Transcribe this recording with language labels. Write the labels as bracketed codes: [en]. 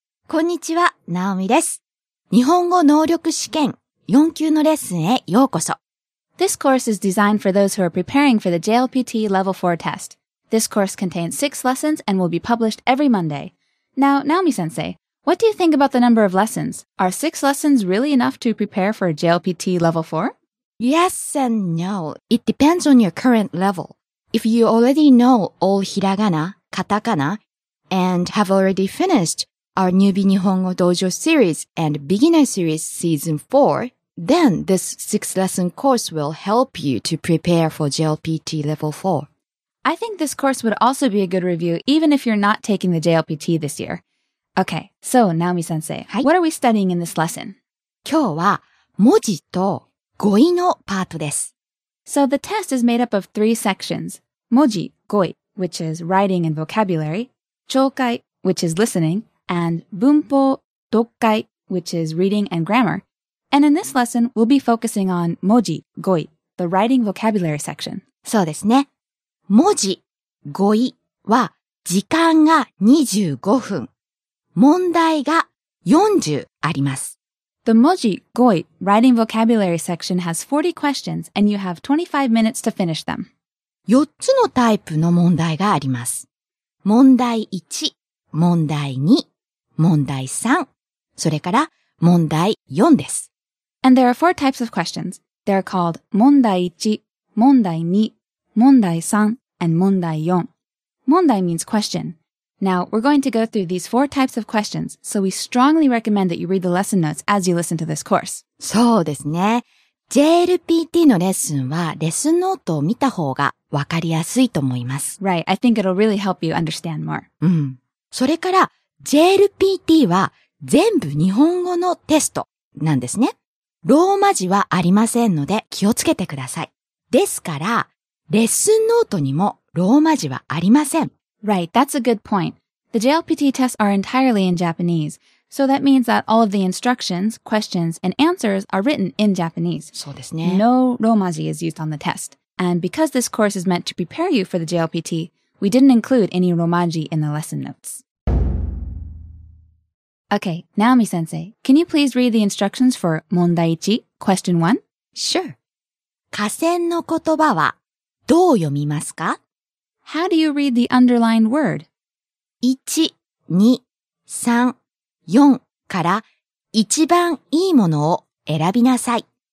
[ja] こんにちは、ナオミです。日本語能力試験4級のレッスンへようこそ。 [en] This course is designed for those who are preparing for the JLPT Level 4 test. This course contains 6 lessons and will be published every Monday. Now, Naomi-sensei, what do you think about the number of lessons? Are 6 lessons really enough to prepare for a JLPT Level 4? Yes and no. It depends on your current level. If you already know all hiragana, katakana,and have already finished our Newbie Nihongo Dojo series and Beginner series season 4, then this 6-lesson course will help you to prepare for JLPT level 4. I think this course would also be a good review even if you're not taking the JLPT this year. Okay, so Naomi-sensei, what are we studying in this lesson? [ja] 今日は文字と語彙のパートです。 [en] So the test is made up of 3 sections. 文字、語彙, which is writing and vocabulary. Chōkai, which is listening, and bunpō, dokkai, which is reading and grammar. And in this lesson, we'll be focusing on moji, goi, the writing vocabulary section. [ja] そうですね。moji, goi は時間が25分、問題が40あります。 [en] The moji, goi, writing vocabulary section has 40 questions and you have 25 minutes to finish them. [ja] 4つのタイプの問題があります。問題1、問題2、問題3、それから問題4です。 [en] And there are 4 types of questions. They are called 問題1、問題2、問題3、and 問題4。問題 means question. Now, we're going to go through these 4 types of questions, so we strongly recommend that you read the lesson notes as you listen to this course. [ja] そうですね。 JLPT のレッスンはレッスンノートを見た方がわかりやすいと思います。 [en] Right, I think it'll really help you understand more. うん。 [ja] それから JLPT は全部日本語のテストなんですね。ローマ字はありませんので気をつけてください。ですから、レッスンノートにもローマ字はありません。 [en] Right, that's a good point. The JLPT tests are entirely in Japanese. So that means that all of the instructions, questions, and answers are written in Japanese. [ja] そうですね。 [en] No romaji is used on the test. And because this course is meant to prepare you for the JLPT, we didn't include any romaji in the lesson notes. Okay, Naomi-sensei, can you please read the instructions for 問題1, question 1? Sure. [ja] 下線の言葉はどう読みますか? [en] How do you read the underlined word? [ja] 1, 2, 3. 4から一番いいものを選びなさい。